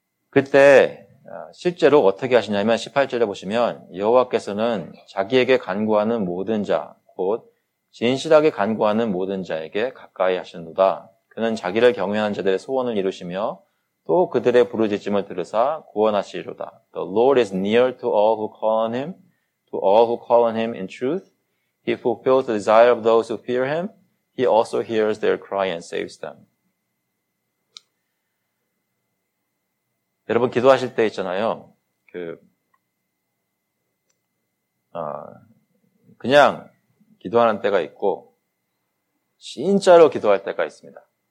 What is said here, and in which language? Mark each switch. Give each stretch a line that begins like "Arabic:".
Korean: 그때 실제로 어떻게 하시냐면 18절에 보시면 여호와께서는 자기에게 간구하는 모든 자, 곧 진실하게 간구하는 모든 자에게 가까이 하시는도다. 그는 자기를 경외하는 자들의 소원을 이루시며 또 그들의 부르짖음을 들으사 구원하시리로다.
English: The Lord is near to all who call on him, to all who call on him in truth. He fulfills the desire of those who fear him. He also hears their cry and saves them.
Korean: 여러분 기도하실 때 있잖아요. 그냥 기도하는 때가 있고 진짜로 기도할 때가 있습니다.